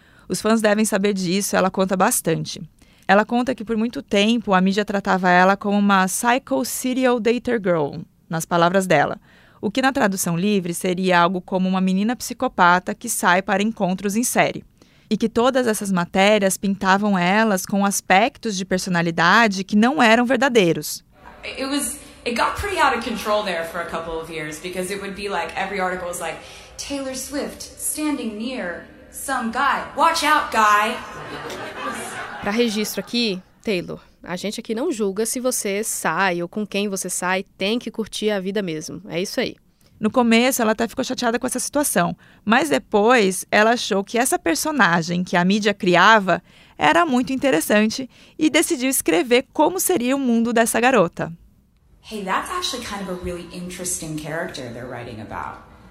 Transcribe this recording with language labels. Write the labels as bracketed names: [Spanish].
[Portuguese] Os fãs devem saber disso, ela conta bastante. Ela conta que por muito tempo a mídia tratava ela como uma [English] psycho serial dater girl, [Portuguese] nas palavras dela. O que na tradução livre seria algo como uma menina psicopata que sai para encontros em série. E que todas essas matérias pintavam elas com aspectos de personalidade que não eram verdadeiros. [English] It got pretty out of control there for a couple of years, because it would be like every article was like Taylor Swift standing near some guy. Watch out, guy. [Portuguese] Para registro aqui, Taylor, a gente aqui não julga se você sai ou com quem você sai, tem que curtir a vida mesmo. É isso aí. No começo, ela até ficou chateada com essa situação, mas depois ela achou que essa personagem que a mídia criava era muito interessante e decidiu escrever como seria o mundo dessa garota. [English] Hey, that's actually kind of a really interesting character they're writing about.